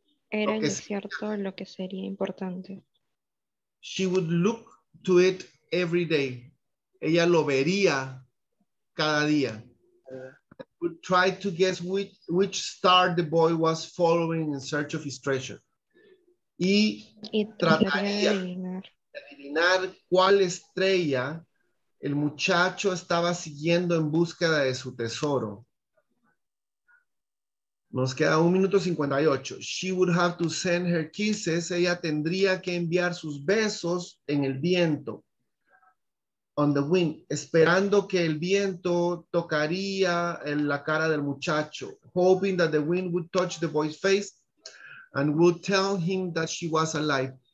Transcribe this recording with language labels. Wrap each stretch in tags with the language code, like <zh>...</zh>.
<es>Era el desierto lo que sería importante.</es> <en>She would look to it every day.</en> <es>Ella lo vería cada día.</es> <en>Would try to guess which star the boy was following in search of his treasure.</en> <es>Y trataría de adivinar cuál estrella el muchacho estaba siguiendo en búsqueda de su tesoro. Nos queda 1:58.</es> <en>She would have to send her kisses.</en> <es>Ella tendría que enviar sus besos en el viento.</es> <en>On the wind.</en> <es>Esperando que el viento tocaría en la cara del muchacho.</es> <en>Hoping that the wind would touch the boy's face. And would tell him that she was alive.</en>